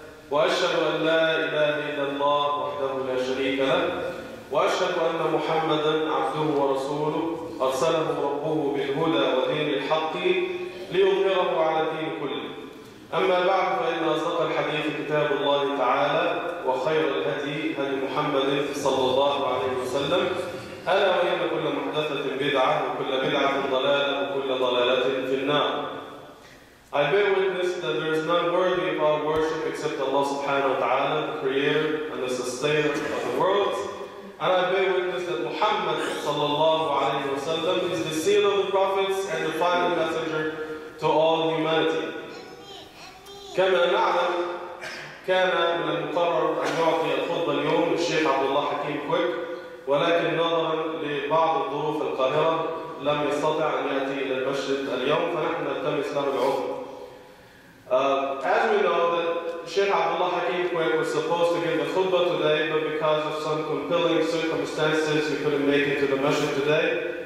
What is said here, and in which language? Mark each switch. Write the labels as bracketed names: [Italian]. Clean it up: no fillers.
[Arabic] واشهد ان لا اله الا الله وحده لا شريك له واشهد ان محمدا عبده ورسوله ارسله ربه بالهدى ودين الحق ليظهره على الدين كله. اما بعد فان اصدق الحديث كتاب الله تعالى وخير الهدي هدي محمد صلى الله عليه وسلم. الا وان كل محدثه بدعه وكل بدعه ضلاله وكل ضلاله في النار. [English] I bear witness that there is none worthy of our worship except Allah subhanahu wa ta'ala, the creator and the sustainer of the world. And I bear witness that Muhammad sallallahu alayhi wa sallam is the seal of the prophets and the final messenger to all humanity. [Arabic] كما نعلم كان من المقرر أن يعطي الخطبة اليوم الشيخ عبد الله حكيم كويك، ولكن نظرا لبعض الظروف القاهرة لم يستطع أن يأتي إلى المسجد اليوم، فنحن نلتمس له العذر. [English] As we know that Sheikh Abdullah Hakim Kweik was supposed to give the khutbah today, but because of some compelling circumstances, we couldn't make it to the masjid today.